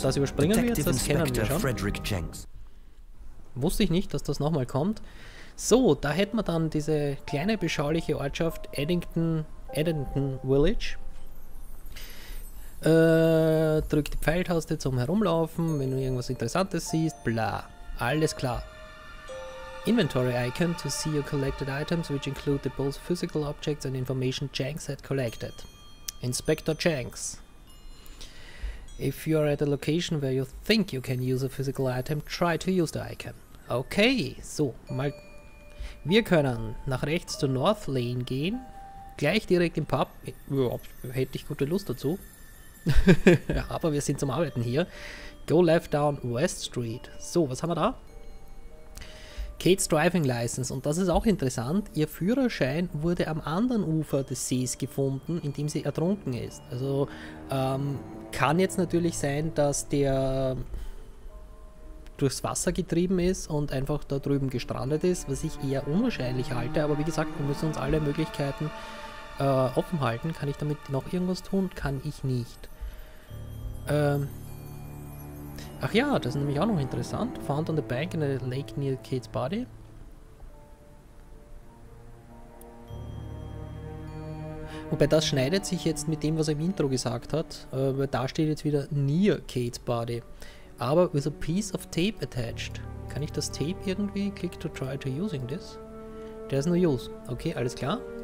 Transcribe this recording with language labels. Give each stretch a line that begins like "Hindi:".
German: Das überspringen Detective wir jetzt, das kennen wir schon. Frederick Jenks. Wusste ich nicht, dass das nochmal kommt. So, da hätten wir dann diese kleine beschauliche Ortschaft Eddington Village. Drück die Pfeiltaste zum Herumlaufen, wenn du irgendwas Interessantes siehst, bla. Alles klar.
English: Inventory Icon to see your collected items, which include the both physical objects and information Jenks had collected. Inspector Jenks. If you are at a location where you think you can use a physical item, try to use the icon.
German: Okay, so, mal. Wir können nach rechts zur North Lane gehen. Gleich direkt im Pub. Ja, hätte ich gute Lust dazu. Aber wir sind zum Arbeiten hier.
English: Go left down West Street.
German: So, was haben wir da? Kate's Driving License. Und das ist auch interessant. Ihr Führerschein wurde am anderen Ufer des Sees gefunden, in dem sie ertrunken ist. Also, kann jetzt natürlich sein, dass der durchs Wasser getrieben ist und einfach da drüben gestrandet ist, was ich eher unwahrscheinlich halte. Aber wie gesagt, wir müssen uns alle Möglichkeiten offen halten. Kann ich damit noch irgendwas tun? Kann ich nicht. Ach ja, das ist nämlich auch noch interessant.
English: Found on the bank in a lake near Kate's body.
German: Wobei das schneidet sich jetzt mit dem, was er im Intro gesagt hat. Da steht jetzt wieder
English: near Kate's body.
German: Aber
English: with a piece of tape attached.
German: Kann ich das Tape irgendwie?
English: Click to try to using this. There's no use.
German: Okay, alles klar.